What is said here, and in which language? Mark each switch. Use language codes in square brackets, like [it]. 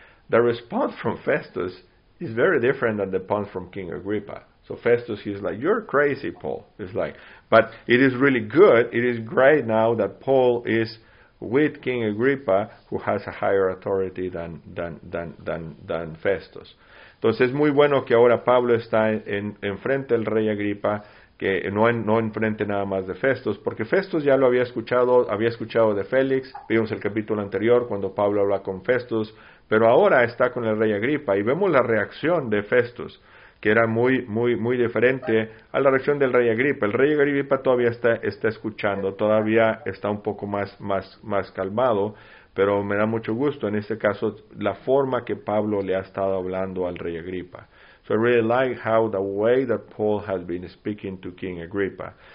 [en] The response from Festus is very different than the response from King Agrippa. So Festus, he's like, you're crazy, Paul. It's like, but it is really good, it is great now that Paul is with King Agrippa, who has a higher authority than Festus. [es] Entonces es muy bueno que ahora Pablo está en frente del rey Agrippa, que no enfrente nada más de Festus, porque Festus ya lo había escuchado de Félix, vimos el capítulo anterior cuando Pablo habla con Festus, pero ahora está con el rey Agripa y vemos la reacción de Festus, que era muy, muy, muy diferente a la reacción del rey Agripa. El rey Agripa todavía está escuchando, todavía está un poco más calmado, pero me da mucho gusto en este caso la forma que Pablo le ha estado hablando al rey Agripa. [en] So I really like how the way that Paul has been speaking to King Agripa.